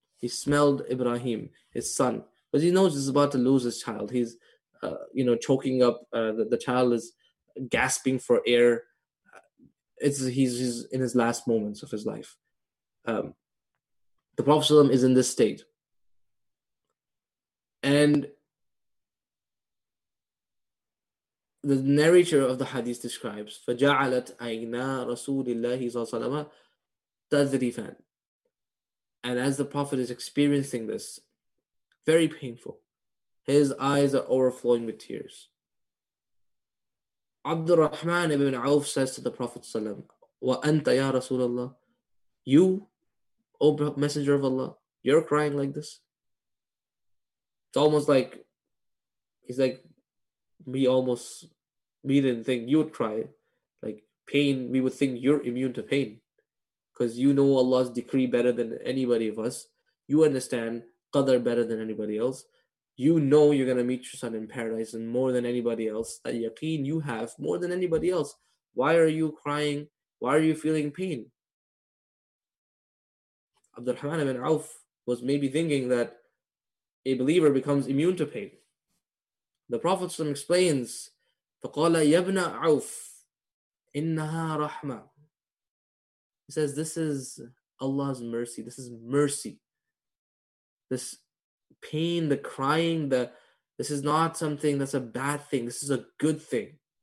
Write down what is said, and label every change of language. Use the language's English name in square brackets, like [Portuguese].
[English] He smelled Ibrahim, his son. But he knows he's about to lose his child. He's, choking up. The child is gasping for air. He's in his last moments of his life. The Prophet ﷺ is in this state. And the narrator of the hadith describes, [Arabic] فَجَعَلَتْ عَيْنَا رَسُولِ اللَّهِ صَلَى اللَّهِ عَلَى تَذْرِفًا. [English] And as the Prophet is experiencing this, very painful, his eyes are overflowing with tears. Abdul Rahman ibn Auf says to the Prophet ﷺ, [Arabic] وَأَنْتَ يَا رَسُولَ اللَّهِ. [English] You, O Messenger of Allah, you're crying like this? It's almost like, he's like, we didn't think you would cry. Like pain, we would think you're immune to pain. Because you know Allah's decree better than anybody of us. You understand qadar better than anybody else. You know you're going to meet your son in paradise, and more than anybody else, that yaqeen you have more than anybody else. Why are you crying? Why are you feeling pain? Abdurrahman ibn Auf was maybe thinking that a believer becomes immune to pain. The Prophet ﷺ explains, [Arabic] فَقَالَ يَبْنَ عَوْفْ إِنَّهَا رَحْمَةٌ. [English] He says, this is Allah's mercy. This is mercy. This pain, the crying, this is not something that's a bad thing. This is a good thing.